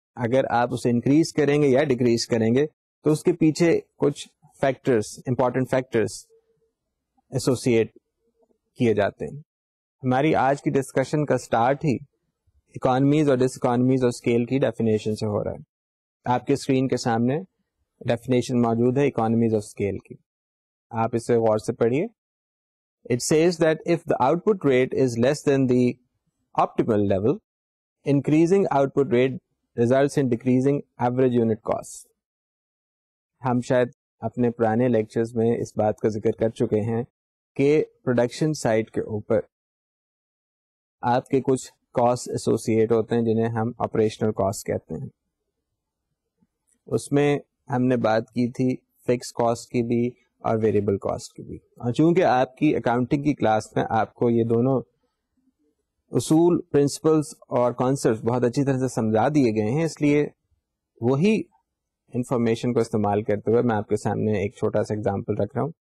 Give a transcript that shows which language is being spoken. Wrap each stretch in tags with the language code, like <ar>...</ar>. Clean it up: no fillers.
<ur>اگر آپ اسے انکریز کریں گے یا ڈیکریز کریں گے تو اس کے پیچھے کچھ فیکٹرز امپورٹنٹ فیکٹرز ایسوسیٹ کیے جاتے ہیں. ہماری آج کی ڈسکشن کا سٹارٹ ہی اکانومیز اور ڈس اکانومیز اور اسکیل کی ڈیفینیشن سے ہو رہا ہے. آپ کے اسکرین کے سامنے ڈیفینیشن موجود ہے اکانومیز اور اسکیل کی, آپ اسے غور سے پڑھیے.</ur> <en>It says that if the output rate is less than the optimal level, increasing output rate results in decreasing average unit cost.</en> <ur>ہم شاید اپنے پرانے لیکچرز میں اس بات کا ذکر کر چکے ہیں کہ پروڈکشن سائٹ کے اوپر آپ کے کچھ کاسٹ ایسوسیٹ ہوتے ہیں جنہیں ہم آپریشنل کاسٹ کہتے ہیں. اس میں ہم نے بات کی تھی فکس کاسٹ کی بھی اور ویریبل کاسٹ کی بھی, اور چونکہ آپ کی اکاؤنٹنگ کی کلاس میں آپ کو یہ دونوں اصول پرنسپلز اور کانسیپٹس بہت اچھی طرح سے سمجھا دیے گئے ہیں, اس لیے وہی انفارمیشن کو استعمال کرتے ہوئے میں آپ کے سامنے ایک چھوٹا سا ایگزامپل رکھ رہا ہوں.</ur>